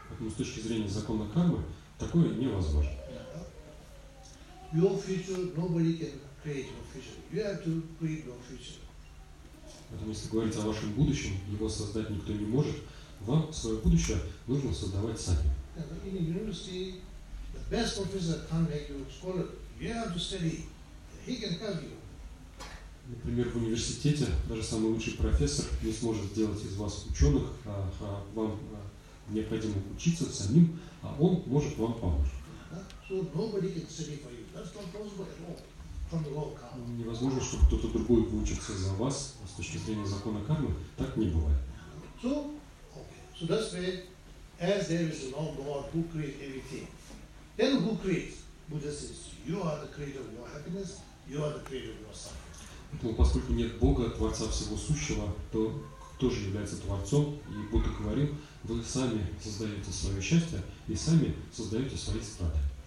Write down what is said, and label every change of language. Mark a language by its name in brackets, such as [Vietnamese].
[Russian] С точки зрения закона кармы, такое невозможно. [English] Your future, nobody can create your future. You have to create your future. [Russian] Поэтому, если говорить о вашем будущем, его создать никто не может, вам свое будущее нужно создавать сами. [English] In university, the best professor can't make you a scholar. You have to study. He can help you. [Russian] Например, в университете даже самый лучший профессор не сможет сделать из вас ученых, а вам необходимо учиться самим, а он может вам помочь. [English] So nobody can study for you. That's not possible at all. [Russian] Невозможно, чтобы кто-то другой выучился за вас, а с точки зрения закона кармы, так не бывает. [English] So, okay. So that's why, as there is no God who creates everything, then who creates? Buddha says, you are the creator of your happiness, you are the creator of your suffering. [Russian] Поэтому, поскольку нет Бога, Творца всего сущего, то кто же является Творцом? И Будда говорил, вы сами создаете свое счастье и сами создаете свои страты.